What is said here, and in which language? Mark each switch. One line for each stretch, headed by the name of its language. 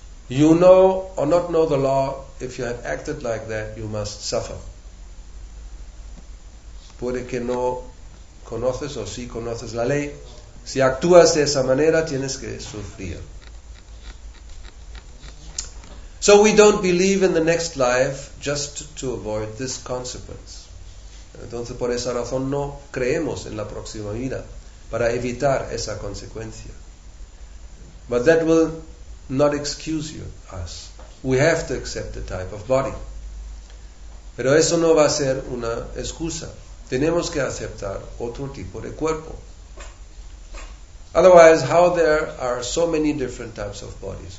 English: You know or not know the law, if you have acted like that, you must suffer.
Spanish: Puede que no conoces o sí conoces la ley. Si actúas de esa manera, tienes que sufrir.
English: So we don't believe in the next life just to avoid this consequence.
Spanish: Entonces, por esa razón, no creemos en la próxima vida para evitar esa consecuencia.
English: But that will not excuse you, us. We have to accept the type of body.
Spanish: Pero eso no va a ser una excusa. Tenemos que aceptar otro tipo de cuerpo.
English: Otherwise, how there are so many different types of bodies?